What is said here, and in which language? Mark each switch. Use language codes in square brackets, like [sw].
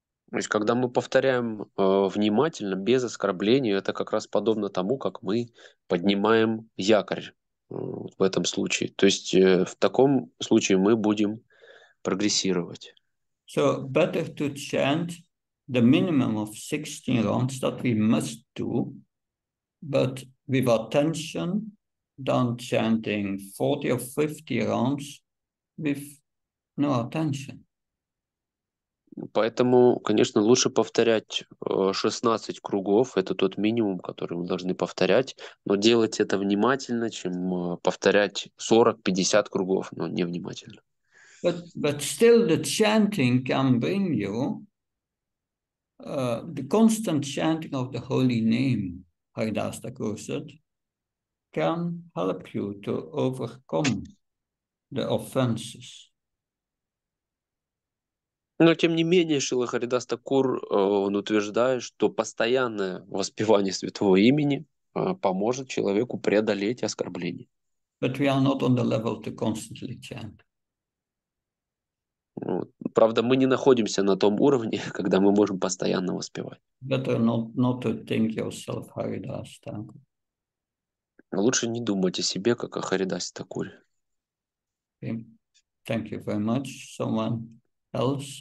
[ru] То есть, когда мы повторяем внимательно, без оскорблений, это как раз подобно тому, как мы поднимаем якорь в этом случае. То есть, в таком случае мы будем прогрессировать. [en] So, better to chant the minimum of 16 rounds that we must do, but with attention, than chanting 40 or 50 rounds with no attention. [ru] Поэтому, конечно, лучше повторять 16 кругов. Это тот минимум, который мы должны повторять. Но делать это внимательно, чем повторять 40-50 кругов, но невнимательно. [en] But still the chanting can bring you the constant chanting of the holy name, Haridas Thakur, can help you to overcome the offenses. [ru] Но, тем не менее, Шрила Харидас Такур, он утверждает, что постоянное воспевание святого имени поможет человеку преодолеть оскорбление. [en] But we are not on the level to constantly chant. [ru] Вот. Правда, мы не находимся на том уровне, когда мы можем постоянно воспевать. [en] Better not to think yourself Haridas Thakur. [ru] Лучше не думать о себе, как о Харидасе Такуре. [en] Thank you very much. Someone else?